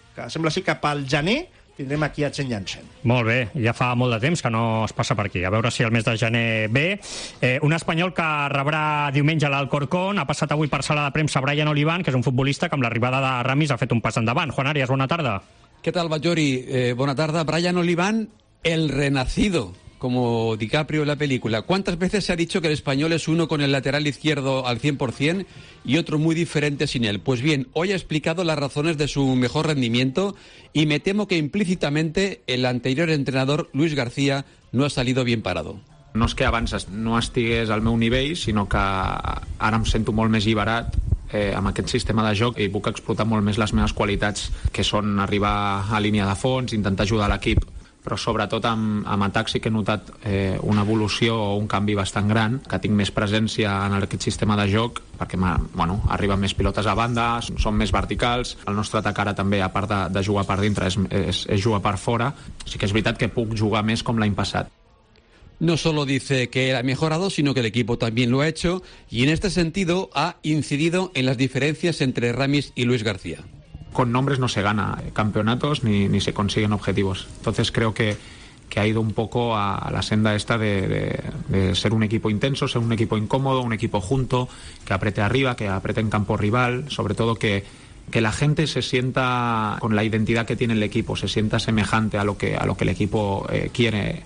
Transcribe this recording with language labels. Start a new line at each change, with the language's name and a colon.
Catalan: Que sembla ser que pel gener tindrem aquí a Chen Yanchen. Molt bé, ja fa molt de temps que no es passa per aquí. A veure si el mes de gener ve. Un espanyol que rebrà diumenge l'Alcorcón ha passat avui per sala de premsa Brian Olivan, que és un futbolista que amb l'arribada de Ramis ha fet un pas endavant. Juan Arias, bona tarda. Què tal, Ballori? Bona tarda.
Spanish: Brian Olivan, el renacido, como DiCaprio en la película. ¿Cuántas veces se ha dicho que el español es uno con el lateral izquierdo al 100% y otro muy diferente sin él? Pues bien, hoy ha explicado las razones de su mejor rendimiento y me temo que implícitamente el anterior entrenador, Luis García, no ha salido bien parado.
Catalan: No es que avances, no estigues al meu nivell, sino que ara em sento molt més lliberat amb aquest sistema de joc i puc explotar molt més les meves qualitats, que són arribar a línia de fons, intentar ajudar l'equip, però sobretot amb atac sí que he notat una evolució o un canvi bastant gran, que tinc més presència en aquest sistema de joc, perquè arriben més pilotes a banda, són més verticals, el nostre atac ara també, a part de jugar per dintre, és jugar per fora, sí que és veritat que puc jugar més com l'any passat.
Spanish: No solo dice que él ha mejorado, sino que el equipo también lo ha hecho, y en este sentido ha incidido en las diferencias entre Ramis y Luis García. con nombres no se gana campeonatos ni se consiguen objetivos. Entonces creo que ha ido un poco a la senda esta de ser un equipo intenso, ser un equipo incómodo, un equipo junto, que apriete arriba, que apriete en campo rival, sobre todo que la gente se sienta con la identidad que tiene el equipo, se sienta semejante a lo que el equipo quiere.